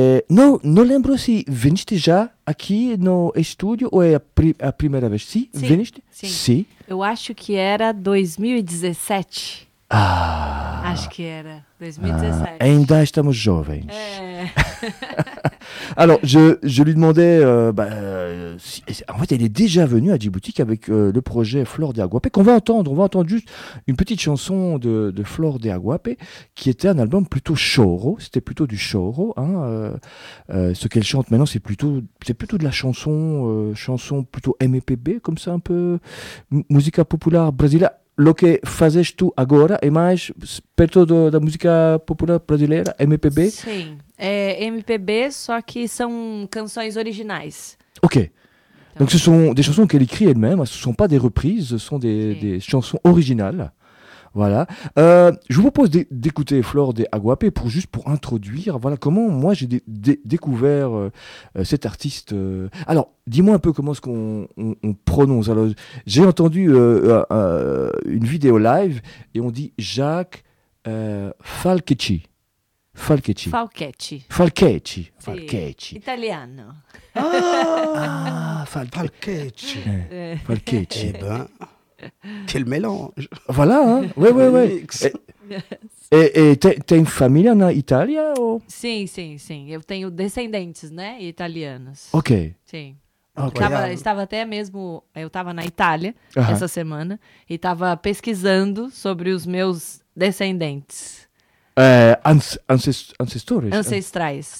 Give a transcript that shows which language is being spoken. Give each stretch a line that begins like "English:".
Portuguese: Não lembro se veniste já aqui no estúdio ou é a primeira vez. Sim, veniste? Sim. Eu acho que era 2017. Ah. Acho que era 2017. Ah, ainda estamos jovens. É.
French: Alors, je lui demandais, en fait, elle est déjà venue à Djibouti avec le projet Flor de Aguapé, qu'on va entendre. On va entendre juste une petite chanson de Flor de Aguapé, qui était un album plutôt choro. C'était plutôt du choro. Hein, ce qu'elle chante maintenant, c'est plutôt de la chanson, chanson plutôt MPB, comme ça un peu, musica popular brésilienne.
Portuguese: Lo que fazes tu agora é mais perto da música popular brasileira, MPB? Sim, MPB, só que são canções originais. Ok.
French: Então, donc, ce sont des chansons qu'elle écrit elle-même, ce ne sont pas des reprises, ce sont des chansons originales. Voilà. Je vous propose d'écouter Flor de Aguapé pour introduire. Voilà comment moi j'ai découvert cet artiste. Alors, dis-moi un peu comment est-ce qu'on prononce. Alors, j'ai entendu une vidéo live et on dit Jacques Falchetti. Falchetti. Falchetti. Falchetti. Falchetti. Italiano. Ah, Falchetti. Falchetti. Eh ben. Quel mélange! Voilà, hein? Oui, oui, oui. T'as une famille en Italie?
Portuguese: Sim, sim, sim. Eu tenho descendentes, né? Italianos. Ok. Sim. Okay. Estava até mesmo. Eu estava na Itália essa semana e estava pesquisando sobre os meus descendentes. Ancestrais. Sim.